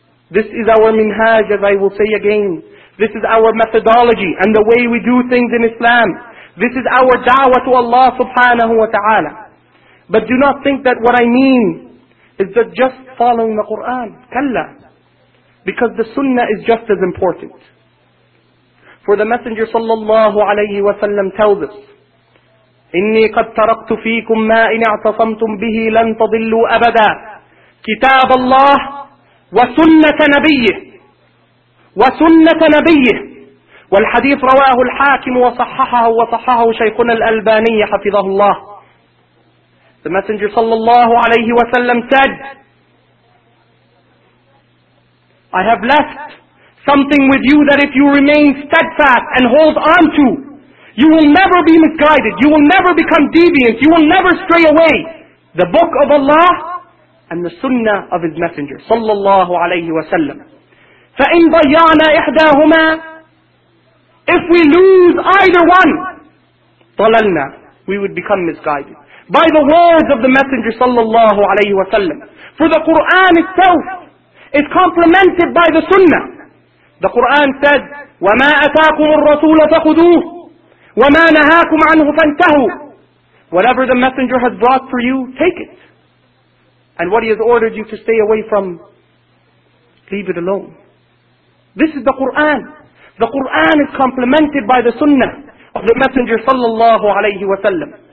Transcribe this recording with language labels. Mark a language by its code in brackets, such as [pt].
[en] This is our minhaj, as I will say again. This is our methodology and the way we do things in Islam. This is our da'wah to Allah subhanahu wa ta'ala. But do not think that what I mean is that just following the Qur'an. [ar] كلا. [en] Because the sunnah is just as important. For the Messenger sallallahu alayhi wa sallam tells us, [ar] إني قد تركت فيكم ما إن اعتصمتم به لن تضلوا أبدا كتاب الله وسنة نبيه وسنة نبيه. والحديث رواه الحاكم وصححه وصححه شيخنا الألباني حفظه الله. [en] The Messenger [ar] صلى الله عليه وسلم [en] said, I have left something with you that if you remain steadfast and hold on to, you will never be misguided, you will never become deviant, you will never stray away. The Book of Allah and the Sunnah of His Messenger [ar] صلى الله عليه وسلم. فَإِنْ ضَيَّعْنَا إِحْدَاهُمَا, [en] if we lose either one, [ar] ضَلَلْنَا, [en] we would become misguided. By the words of the Messenger [ar] صلى الله عليه وسلم. [en] For the Qur'an itself is complemented by the Sunnah. The Qur'an said, [ar] وَمَا أَتَاكُمُ الرَّسُولَ فَخُذُوهُ وَمَا نَهَاكُمْ عَنْهُ فَانْتَهُوا. [en] Whatever the Messenger has brought for you, take it. And what he has ordered you to stay away from, leave it alone. This is the Qur'an. The Qur'an is complemented by the Sunnah of the Messenger [ar] صلى الله عليه وسلم.